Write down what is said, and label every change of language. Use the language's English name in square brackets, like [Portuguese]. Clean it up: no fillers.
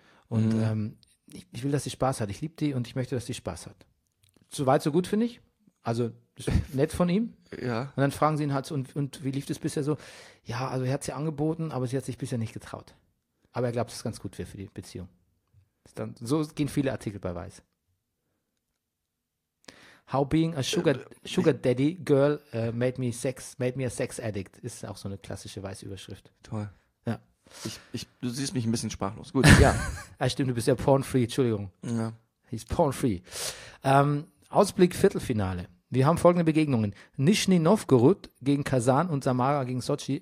[German] Und ich will, dass sie Spaß hat. Ich liebe die und ich möchte, dass sie Spaß hat. So weit, so gut, finde ich. Also nett von ihm. Ja. Und dann fragen sie ihn halt so, und wie lief das bisher so? Ja, also er hat sie angeboten, aber sie hat sich bisher nicht getraut. Aber er glaubt, dass es ganz gut wäre für die Beziehung. Dann, so gehen viele Artikel bei Weiß. [English] How being a sugar daddy girl made me a sex addict. [German] Ist auch so eine klassische Weiß-Überschrift. Toll. Ja. Du siehst mich ein bisschen sprachlos. Gut. Ja. Ah, stimmt, du bist ja porn-free. Entschuldigung. Ja. [English] He's porn-free. [German] Ausblick Viertelfinale. Wir haben folgende Begegnungen. Nischni Novgorod gegen Kasan und Samara gegen Sochi.